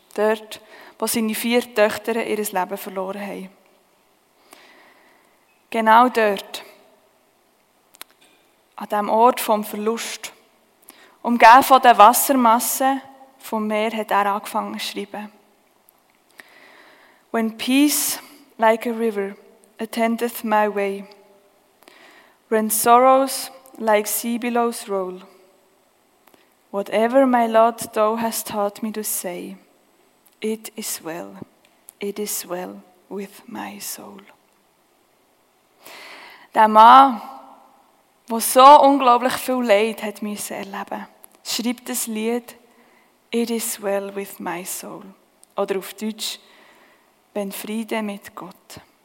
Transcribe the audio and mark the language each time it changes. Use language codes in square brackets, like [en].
[de] Dort, wo seine vier Töchter ihr Leben verloren haben. Genau dort, an dem Ort vom Verlust, umgeben von der Wassermasse vom Meer, hat er angefangen zu schreiben. [en] When peace like a river attendeth my way, when sorrows like sea billows roll, whatever my Lord thou hast taught me to say, it is well with my soul. [de] Der Mann, der so unglaublich viel Leid hat müssen erleben, schreibt das Lied It is well with my soul. Oder auf Deutsch, wenn Friede mit Gott.